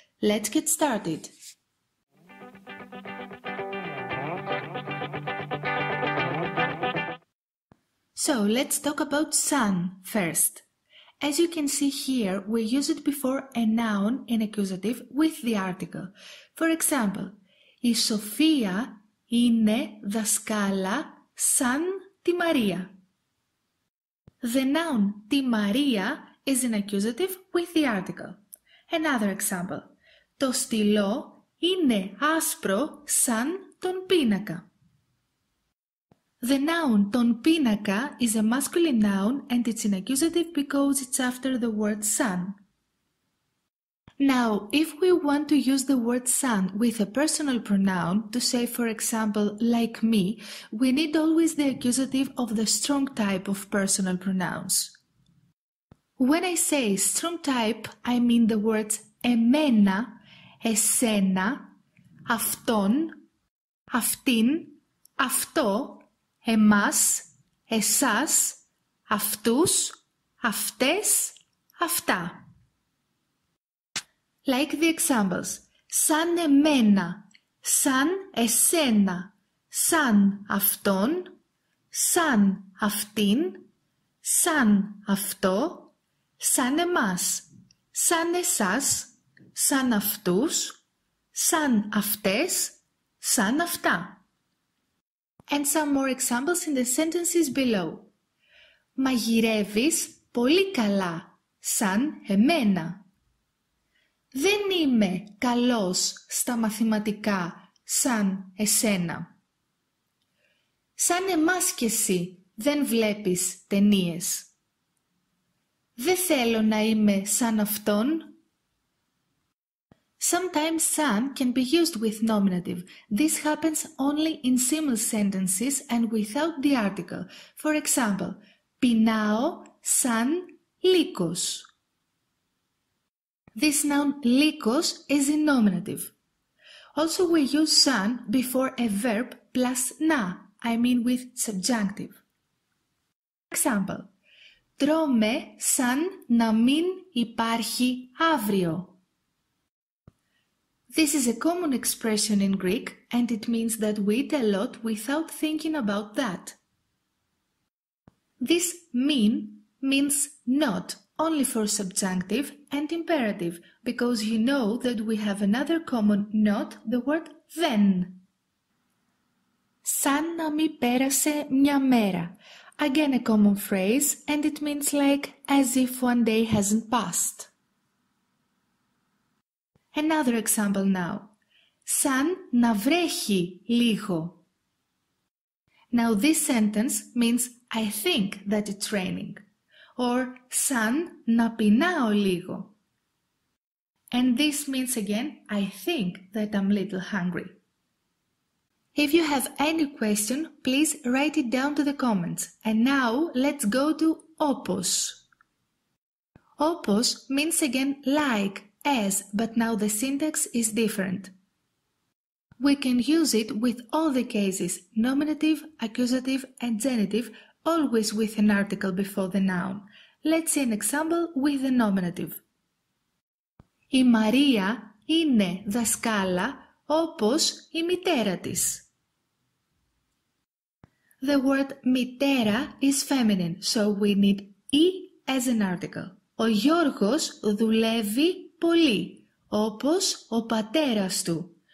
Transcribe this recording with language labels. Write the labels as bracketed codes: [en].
[en] Let's get started! So, let's talk about σαν first. As you can see here, we use it before a noun in accusative with the article. For example, [el] η Σοφία είναι δασκάλα σαν τη Μαρία. [en] The noun [el] τη Μαρία [en] is an accusative with the article. Another example. [el] Το στυλό είναι άσπρο σαν τον πίνακα. [en] The noun [el] τον πίνακα [en] is a masculine noun and it's an accusative because it's after the word σαν. Now, if we want to use the word σαν with a personal pronoun, to say, for example, like me, we need always the accusative of the strong type of personal pronouns. When I say strong type, I mean the words [el] εμένα, εσένα, αυτόν, αυτήν, αυτό, εμάς, εσάς, αυτούς, αυτές, αυτά. [en] Like the examples, [el] σαν εμένα, σαν εσένα, σαν αυτόν, σαν αυτήν, σαν αυτό, σαν εμάς, σαν εσάς, σαν αυτούς, σαν αυτές, σαν αυτά. [en] And some more examples in the sentences below. [el] Μαγειρεύεις πολύ καλά, σαν εμένα. Δεν είμαι καλός στα μαθηματικά σαν εσένα. Σαν εμάς κι εσύ δεν βλέπεις ταινίες. Δεν θέλω να είμαι σαν αυτόν. [en] Sometimes σαν can be used with nominative. This happens only in similar sentences and without the article. For example, [el] πεινάω σαν λύκος. [en] This noun λύκος is in nominative. Also, we use σαν before a verb plus να, I mean with subjunctive. Example. [el] Τρώμε σαν να μην υπάρχει αύριο. [en] This is a common expression in Greek and it means that we eat a lot without thinking about that. This μην means not, only for subjunctive and imperative, because you know that we have another common not, the word then. [el] Σαν να μη πέρασε μια μέρα. [en] Again a common phrase, and it means like, as if one day hasn't passed. Another example now. [el] Σαν να βρέχει λίγο. [en] Now this sentence means, I think that it's raining. [el] Or σαν να πεινάω λίγο. [en] And this means again, I think that I'm little hungry. If you have any question, please write it down to the comments. And now let's go to όπως. Όπως means again like, as, but now the syntax is different. We can use it with all the cases, nominative, accusative and genitive, always with an article before the noun. Let's see an example with the nominative. [el] Η Μαρία είναι δασκάλα όπως η μητέρα της. [en] The word μητέρα is feminine, so we need η as an article. [el] Ο Γιώργος δουλεύει πολύ όπως ο πατέρας του.